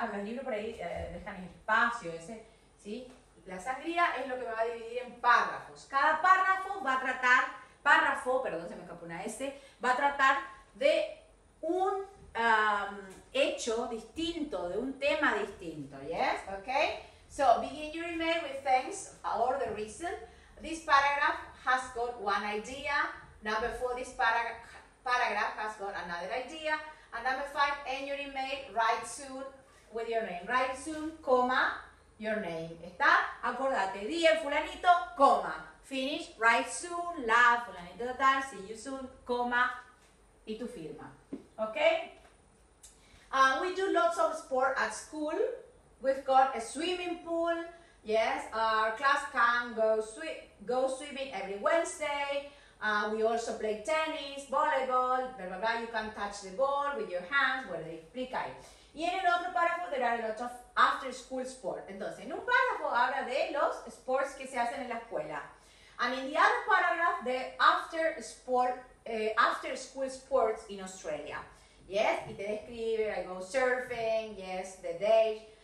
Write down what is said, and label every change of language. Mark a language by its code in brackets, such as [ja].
[es] Porque los libros por ahí dejan espacio, ese, ¿sí? La sangría es lo que me va a dividir en párrafos. Cada párrafo va a tratar de un hecho distinto, de un tema distinto, ¿yes? ¿Ok? [en] So, begin your email with thanks or the reason. This paragraph has got one idea. Number four, this paragraph has got another idea. And number five, end your email, write soon with your name. Write soon, comma, your name. [es] ¿Está? Acordate, [en] dear fulanito, comma. Finish, write soon, [es] la fulanito tal, [en] see you soon, comma, [es] y tu firma. [en] ¿Ok? We do lots of sport at school. We've got a swimming pool. Yes, our class can go swimming every Wednesday. We also play tennis, volleyball, blah, blah, blah. You can touch the ball with your hands. [es] Bueno, explica ahí. Y en el otro párrafo, [en] there are a lot of after school sports. [es] Entonces, en un párrafo habla de los sports que se hacen en la escuela. [en] And in the other paragraph, the after school sports in Australia. Yes, [es] y te describe, [en] I go surfing, yes, the day.